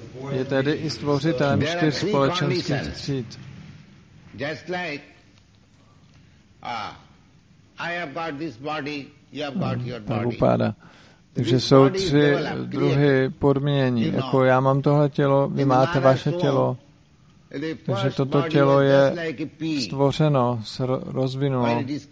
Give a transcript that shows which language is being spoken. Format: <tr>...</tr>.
<cs>Je tedy i stvořitelem čtyř společenských tříd.</cs> <en>Just like I have got this body, you have got your body. Prabhupada.</en> <cs>Takže jsou tři druhy podmínění. Jako já mám tohle tělo, vy máte vaše tělo. Takže toto tělo je stvořeno, se rozvinulo.</cs>